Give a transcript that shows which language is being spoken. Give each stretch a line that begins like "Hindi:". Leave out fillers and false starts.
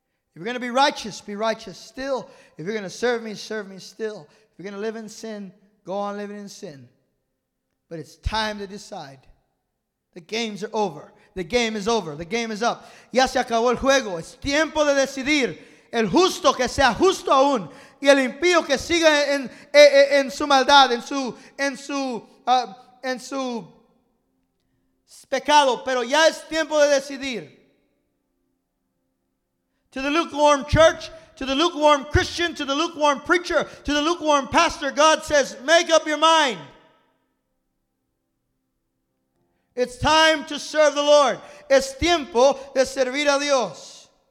English: If you're going to be righteous still. If you're going to serve me still. If you're going to live in sin, go on living in sin. But it's time to decide. The games are over. The game is over. The game is up.
Spanish: Ya se acabó el juego. Es tiempo de decidir. El justo que sea justo aún. Y el impío que siga en su maldad, en su pecado. Pero ya es tiempo de decidir.
English: To the lukewarm church, to the lukewarm Christian, to the lukewarm preacher, to the lukewarm pastor, God says, make up your mind. It's time to serve the Lord.
Spanish: Es tiempo de servir a Dios.